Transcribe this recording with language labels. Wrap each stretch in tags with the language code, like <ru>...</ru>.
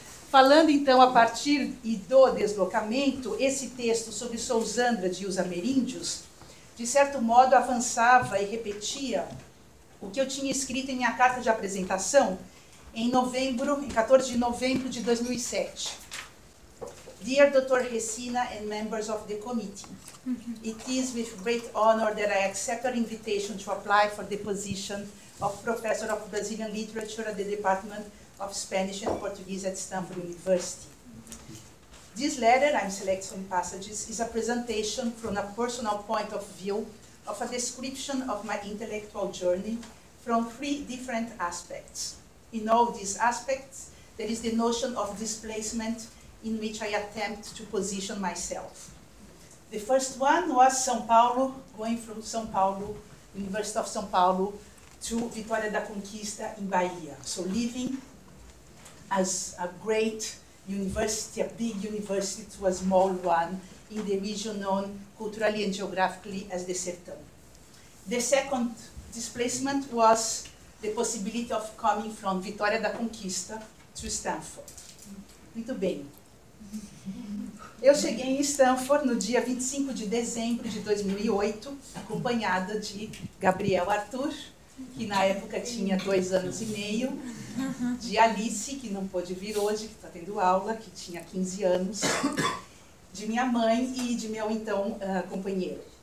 <pt>Falando então a partir e do deslocamento, esse texto sobre Souza Andrade e os ameríndios, de certo modo avançava e repetia o que eu tinha escrito em minha carta de apresentação, em 14 de novembro de 2007.</pt> <en>Dear Dr. Hesina and members of the committee, it is with great honor that I accept your invitation to apply for the position of Professor of Brazilian Literature at the Department of Spanish and Portuguese at Stanford University. This letter, I'm selecting some passages, is a presentation from a personal point of view of a description of my intellectual journey from three different aspects. In all these aspects, there is the notion of displacement in which I attempt to position myself. The first one was São Paulo, going from São Paulo, University of São Paulo, to Vitória da Conquista in Bahia. So leaving as a great university, a big university, to a small one in the region known culturally and geographically as the Sertão. The second displacement was the possibility of coming from Vitória da Conquista to Stanford.</en> <pt>Muito bem. Eu cheguei em Stanford no dia 25 de dezembro de 2008, acompanhada de Gabriel Arthur, que na época tinha 2 anos e meio, de Alice, que não pôde vir hoje, que está tendo aula, que tinha 15 anos, de minha mãe e de meu então companheiro.</pt>